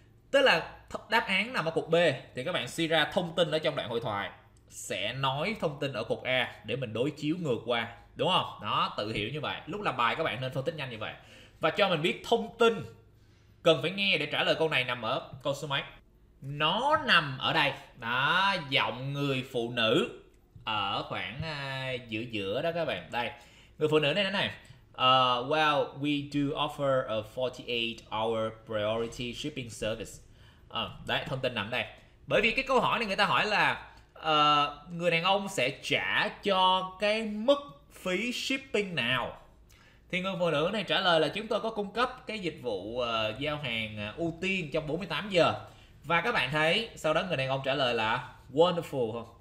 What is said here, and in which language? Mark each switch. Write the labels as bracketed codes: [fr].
[vi] Tức là đáp án nằm ở cục B thì các bạn suy ra thông tin ở trong đoạn hội thoại sẽ nói thông tin ở cục A để mình đối chiếu ngược qua, đúng không? Đó, tự hiểu như vậy. Lúc làm bài các bạn nên phân tích nhanh như vậy. Và cho mình biết thông tin cần phải nghe để trả lời câu này nằm ở câu số mấy. Nó nằm ở đây. Đó, giọng người phụ nữ ở khoảng giữa giữa đó các bạn. Đây. Người phụ nữ này này. [en] Well, we do offer a 48-hour priority shipping service. [vi] Đấy, thông tin nằm đây. Bởi vì cái câu hỏi này người ta hỏi là người đàn ông sẽ trả cho cái mức phí shipping nào? Thì người phụ nữ này trả lời là chúng tôi có cung cấp cái dịch vụ giao hàng ưu tiên trong 48 giờ. Và các bạn thấy, sau đó người đàn ông trả lời là wonderful.